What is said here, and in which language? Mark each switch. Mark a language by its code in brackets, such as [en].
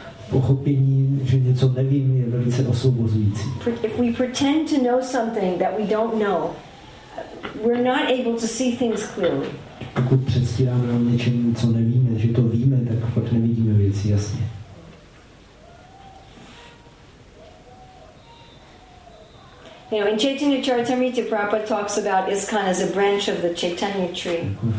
[cs] Pochopení, že něco nevím, je velice osvobozující. [en] If we pretend to know something that we don't know, we're not able to see things clearly. [cs] Pokud předstíráme o něčem, co nevíme, že to víme, tak pak nevidíme věci jasně. [en] You know, in Chaitanya Charitamrita, Prabhupada talks about ISKCON as a branch of the Chaitanya tree.